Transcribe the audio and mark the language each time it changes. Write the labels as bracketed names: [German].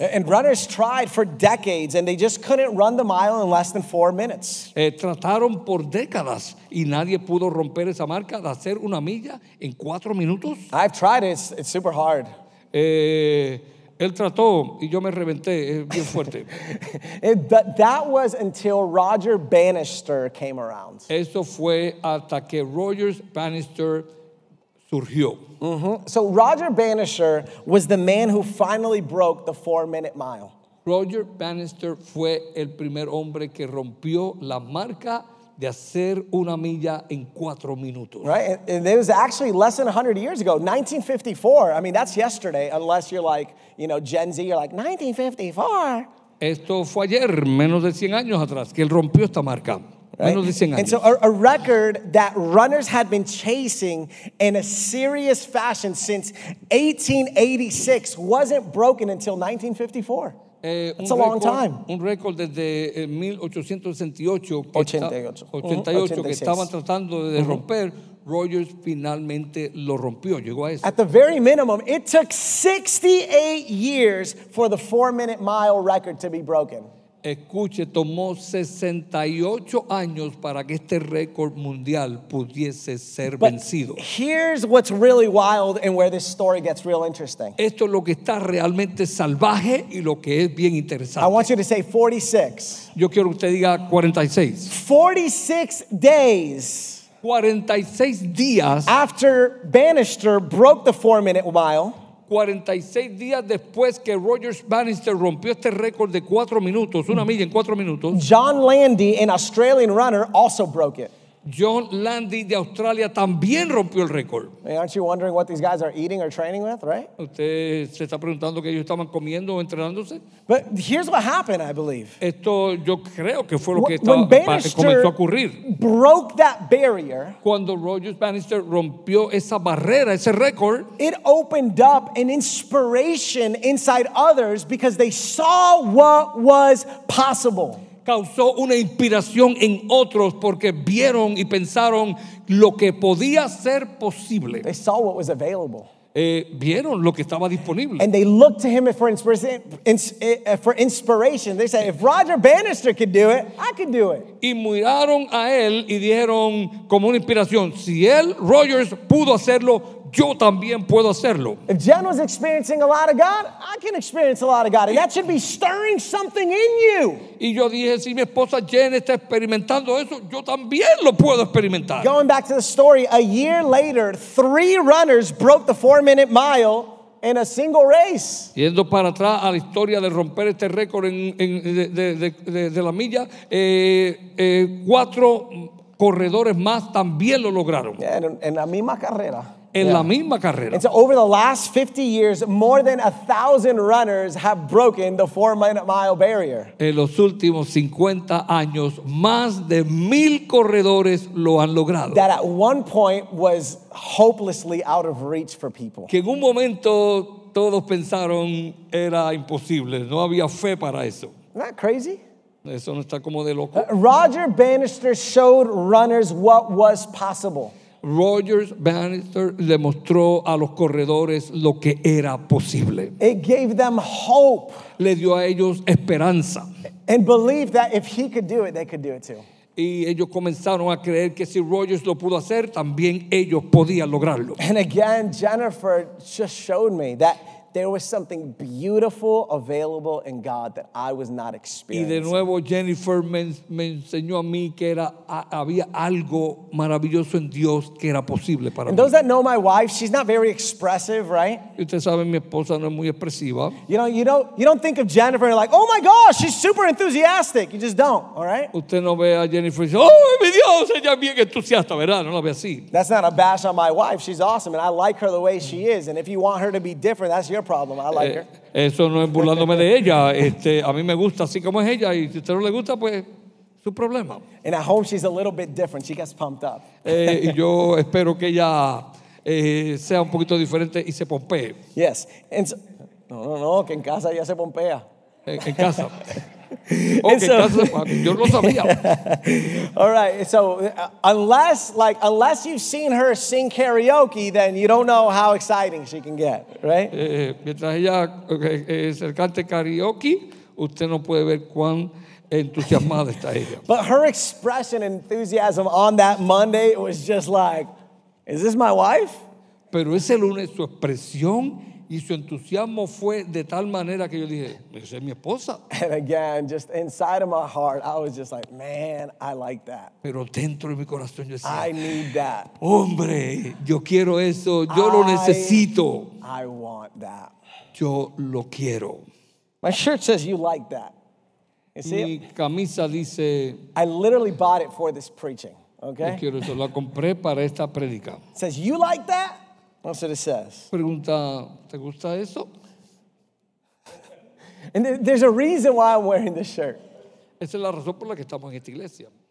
[English] And runners tried for decades and they just couldn't run the mile in less than 4 minutes. [Spanish] Trataron por décadas y nadie pudo romper esa marca de hacer una milla en 4 minutos. [English] I've tried it. It's super hard. [Spanish] Él trató y yo me reventé. Es bien fuerte. [English] But that was until Roger Bannister came around. [Spanish] Eso fue hasta que Roger Bannister surgió. Mm-hmm. [English] So Roger Bannister was the man who finally broke the 4-minute mile. [Spanish] Roger Bannister fue el primer hombre que rompió la marca de hacer una milla en 4 minutos. [English] Right, and it was actually less than 100 years ago, 1954. I mean, that's yesterday, unless you're like, you know, Gen Z, you're like, 1954? [Spanish] Esto fue ayer, menos de 100 años atrás, que él rompió esta marca. [English] Right? And so a record that runners had been chasing in a serious fashion since 1886 wasn't broken until 1954. That's a long time. [Spanish] Un récord desde 1888 que estaban tratando de romper. Rogers finalmente lo rompió, llegó a eso. [English] At the very minimum, it took 68 years for the 4-minute mile record to be broken. [Spanish] Escuche, tomó 68 años para que este récord mundial pudiese ser vencido. [English] But here's what's really wild and where this story gets real interesting. [Spanish] Esto es lo que está realmente salvaje y lo que es bien interesante. [English] I want you to say 46. [Spanish] Yo quiero que usted diga 46. [English] 46 days. [Spanish] 46 días [English] after Bannister broke the 4-minute mile, [Spanish] 46 días después que Rogers Bannister rompió este récord de 4 minutos, una milla en 4 minutos, [English] John Landy, an Australian runner, also broke it. [Spanish] John Landy de Australia también rompió el récord. [English] Hey, aren't you wondering what these guys are eating or training with, right? [Spanish] ¿Usted se está preguntando qué ellos estaban comiendo o entrenándose? [English] But here's what happened, I believe. [Spanish] Esto yo creo que fue lo que estaba, comenzó a ocurrir. [English] Broke that barrier. [Spanish] Cuando Rogers Bannister rompió esa barrera, ese récord, [English] it opened up an inspiration inside others because they saw what was possible. [Spanish] Causó una inspiración en otros porque vieron y pensaron lo que podía ser posible. [English] They saw what was available. [Spanish] Vieron lo que estaba disponible. [English] And they looked to him for inspiration. They said, if Roger Bannister could do it, I could do it. [Spanish] Y miraron a él y dijeron como una inspiración, si él, Rogers, pudo hacerlo, yo también puedo hacerlo. [English] If Jen was experiencing a lot of God, I can experience a lot of God. And that should be stirring something in you. [Spanish] Y yo dije, si mi esposa Jen está experimentando eso, yo también lo puedo experimentar. [English] Going back to the story, a year later, 3 runners broke the 4-minute mile in a single race. [Spanish] Yendo para atrás a la historia de romper este récord de la milla, 4 corredores más también lo lograron. Yeah, en la misma carrera. En la misma carrera. [English] And so over the last 50 years, more than 1,000 runners have broken the 4-minute mile barrier. [Spanish] En los últimos 50 años, más de 1,000 corredores lo han logrado. [English] That at one point was hopelessly out of reach for people. [Spanish] Que en un momento todos pensaron era imposible. No había fe para eso. [English] Isn't that crazy? [Spanish] Eso no está como de loco. [English] Roger Bannister showed runners what was possible. [Spanish] Rogers Bannister demostró a los corredores lo que era posible. [English] It gave them hope. [Spanish] Le dio a ellos esperanza. [English] And believe that if he could do it, they could do it too. [Spanish] Y ellos comenzaron a creer que si Rogers lo pudo hacer, también ellos podían lograrlo. [English] And again, Jennifer just showed me that there was something beautiful available in God that I was not experiencing. [Spanish] Y de nuevo Jennifer me enseñó a mí que había algo maravilloso en Dios que era posible para mí. [English] And those that know my wife, she's not very expressive, right? [Spanish] Ustedes saben, mi esposa no es muy expresiva. [English] You don't think of Jennifer like, oh my gosh, she's super enthusiastic. You just don't, all right? [Spanish] Usted no ve a Jennifer y dice, oh mi Dios, ella es bien entusiasta, ¿verdad? No la ve así. [English] That's not a bash on my wife. She's awesome and I like her the way she is. And if you want her to be different, that's your problem. I like her. [Spanish] Eso no es burlándome de ella. A mí me gusta así como es ella. Y si usted no le gusta, pues su problema. [English] And at home, she's a little bit different. She gets pumped up. [Spanish] Y yo espero que ella sea un poquito diferente y se pompee. [English] Yes. And so, [Spanish] no, que en casa ya se pompea. En casa. Okay, so, yo no sabía. [English] All right, so unless you've seen her sing karaoke, then you don't know how exciting she can get, right? [Spanish] Mientras ella se cante karaoke, usted no puede ver cuán entusiasmada está ella. [English] But her expression and enthusiasm on that Monday was just like, is this my wife? [Spanish] Pero ese lunes su expresión y su entusiasmo fue de tal manera que yo dije, esa es mi esposa. [English] And again, just inside of my heart, I was just like, man, I like that. [Spanish] Pero dentro de mi corazón yo decía, [English] I need that. [Spanish] Hombre, yo quiero eso, yo lo necesito. [English] I want that. [Spanish] Yo lo quiero. [English] My shirt says you like that. You see? [Spanish] Mi camisa dice, [English] I literally bought it for this preaching. Okay? [Spanish] Yo quiero eso, la compré para esta predica. [English] It says, you like that? That's what it says. [Spanish] Pregunta, ¿te gusta eso? [English] And there's a reason why I'm wearing this shirt. [Spanish] Esa es la razón por la que estamos en esta iglesia.